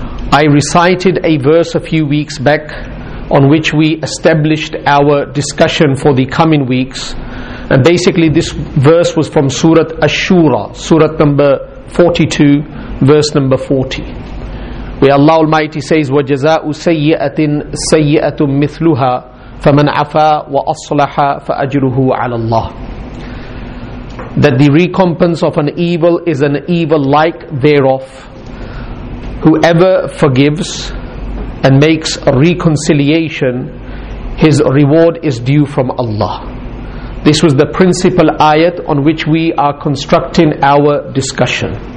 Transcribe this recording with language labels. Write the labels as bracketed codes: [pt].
[en] I recited a verse a few weeks back on which we established our discussion for the coming weeks. And basically this verse was from Surah Ash-Shura, Surah number 42, verse number 40. Where Allah Almighty says, [ar] وَجَزَاءُ سَيِّئَةٍ سَيِّئَةٌ مِثْلُهَا فَمَنْ عَفَى وَأَصْلَحَ فَأَجْرُهُ عَلَى اللَّهِ. [en] That the recompense of an evil is an evil like thereof. Whoever forgives and makes reconciliation, his reward is due from Allah. This was the principal ayat on which we are constructing our discussion.